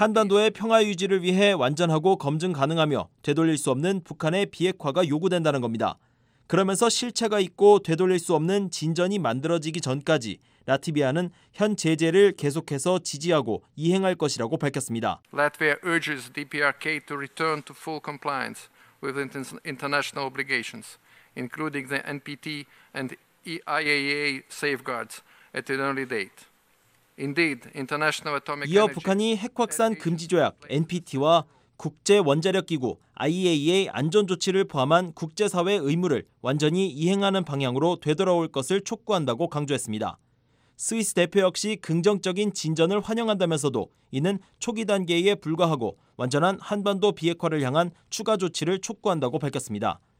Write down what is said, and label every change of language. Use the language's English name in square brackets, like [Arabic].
[Korean] 한반도의 평화 유지를 위해 완전하고 검증 가능하며 되돌릴 수 없는 북한의 비핵화가 요구된다는 겁니다. 그러면서 실체가 있고 되돌릴 수 없는 진전이 만들어지기 전까지 라트비아는 현 제재를 계속해서 지지하고 이행할 것이라고 밝혔습니다. [English] Latvia urges DPRK to return to full compliance with international obligations, including the NPT and IAEA safeguards at an early date. Indeed, international atomic [Korean] 이어 북한이 핵확산 금지조약 NPT와 국제원자력기구 IAEA 안전조치를 포함한 국제사회 의무를 완전히 이행하는 방향으로 되돌아올 것을 촉구한다고 강조했습니다. 스위스 대표 역시 긍정적인 진전을 환영한다면서도 이는 초기 단계에 불과하고 완전한 한반도 비핵화를 향한 추가 조치를 촉구한다고 밝혔습니다.